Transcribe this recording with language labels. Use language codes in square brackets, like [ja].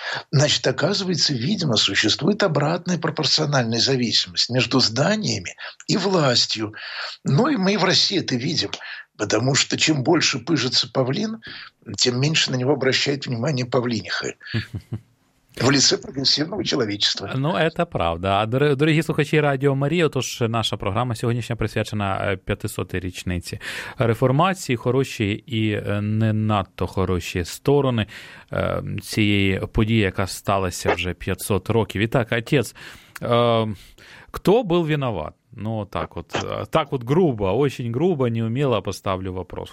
[ru] Значит, оказывается, видимо, существует обратная пропорциональная зависимость между зданиями и властью. Ну и мы в России это видим, потому что чем больше пыжится павлин, тем меньше на него обращает внимание павлиниха. В лице прогрессивного человечества. Ну, это правда. [uk] Дорогі слухачі Радіо Марії, отож, наша програма сьогоднішня присвячена 500-й річниці реформації, хороші і не надто хороші сторони цієї події, яка сталася вже 500 років. І так, отець, хто був виноват? [ru] Ну, так от грубо, очень грубо, неумело поставлю вопрос.